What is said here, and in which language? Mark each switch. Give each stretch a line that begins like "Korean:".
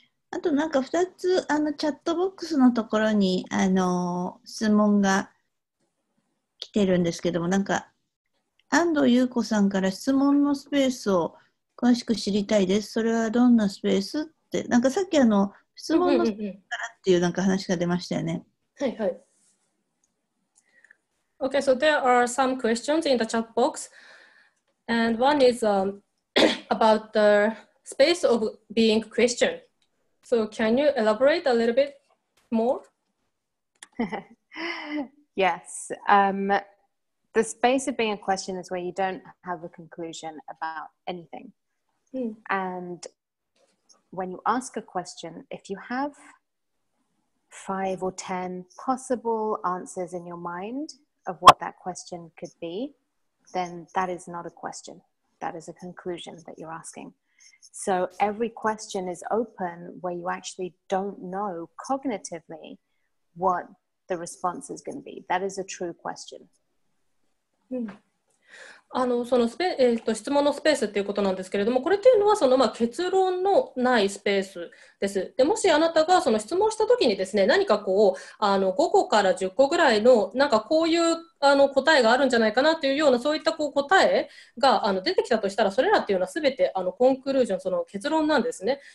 Japanese: あとなんか2つあのチャットボックスのところにあの質問が来てるんですけども、なんか安藤優子さんから質問のスペースを詳しく知りたいです。それはどんなスペースって、なんかさっきあの質問のスペースからっていうなんか話が出ましたよね。
English: はいはい。Okay, so there are some questions in the chat box, and one is about the space of being Christian. So can you elaborate a little bit more? Yes, the space of being a question is where you don't have a conclusion about anything. Mm. And when you ask a question, if you have 5 or 10 possible answers in your mind of what that question could be, then that is not a question. That is a conclusion that you're asking. So every question is open where you actually don't know cognitively whatThe response is going to be. That is a true question.
Japanese: あのそのスペ、質問のスペースっていうことなんですけれども、これっていうのはその、まあ、結論のないスペースです。でもしあなたがその質問したときにですね、何かこうあの5個から10個ぐらいのなんかこういうあの答えがあるんじゃないかなっていうようなそういったこう答えがあの出てきたとしたら、それらっていうのはすべてあのコンクルージョン、その結論なんですね。